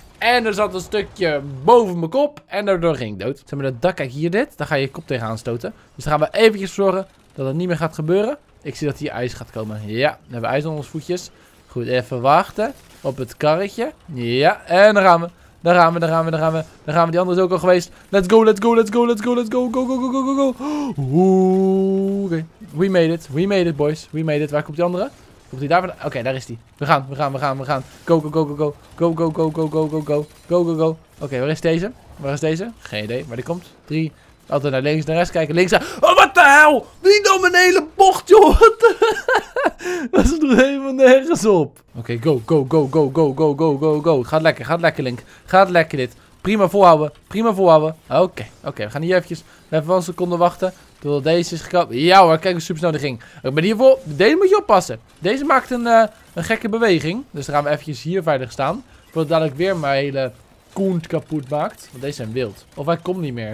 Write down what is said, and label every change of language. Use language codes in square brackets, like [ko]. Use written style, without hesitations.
[nl] En er zat een stukje boven mijn kop. En daardoor ging ik dood. Zeg maar dat dak, kijk hier dit. Daar ga je je kop tegenaan stoten. Dus dan gaan we eventjes zorgen dat het niet meer gaat gebeuren. Ik zie dat hier ijs gaat komen. Ja, dan hebben we ijs onder onze voetjes. Goed, even wachten op het karretje. Ja, en dan gaan we. Daar gaan we, daar gaan we, daar gaan we. Daar gaan we, die andere is ook al geweest. [en] Let's go, let's go, let's go, let's go, let's go, go, go, go, go, go, go. Oké, we made it, we made it, boys. We made it, [nl] waar komt die andere? Komt hij daar? Oké, daar is hij. We gaan, we gaan, we gaan, we gaan. [en] Go, go, go, go, go. Go, go, go, go, go, go, go. Go, go, go. [nl] Oké, waar is deze? Waar is deze? Geen idee, maar die komt. [en] 3. [nl] Altijd naar links, naar rechts kijken. Links. Oh, wat de hel? Wie nam een hele bocht, joh? Wat de... Dat is er helemaal nergens op. [en] Oké, go, go, go, go, go, go, go, go, go. [nl] Gaat lekker, Link. Gaat lekker dit. Prima volhouden, prima volhouden. Oké, oké, we gaan hier even een seconde wachten. Totdat deze is gekomen. Ja hoor, kijk hoe super snel die ging. Ik ben hier voor. Deze moet je oppassen. Deze maakt een gekke beweging. Dus dan gaan we eventjes hier veilig staan. Voordat dadelijk weer mijn hele koent kapot maakt. Want deze zijn wild. Of hij komt niet meer.